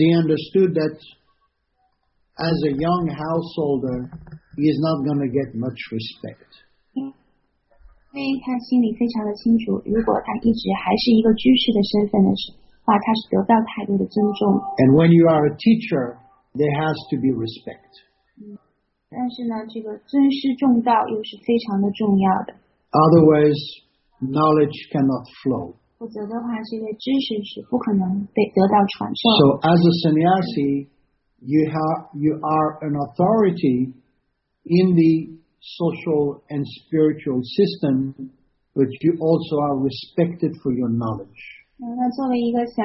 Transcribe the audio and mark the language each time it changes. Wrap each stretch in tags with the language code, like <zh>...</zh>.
<en>he understood that as a young householder, he is not going to get much respect.</en> <zh>因为他心里非常的清楚，如果他一直还是一个居士的身份的话，他是得不到太多的尊重。</zh> <en>And when you are a teacher, there has to be respect.</en> <zh>但是呢，这个尊师重道又是非常的重要的。</zh> <en>Otherwise, knowledge cannot flow.</en> <zh>否则的话，这个知识是不可能被得到传授。</zh> <en>So as a sannyasi, you are an authority in the social and spiritual system, but you also are respected for your knowledge.</en>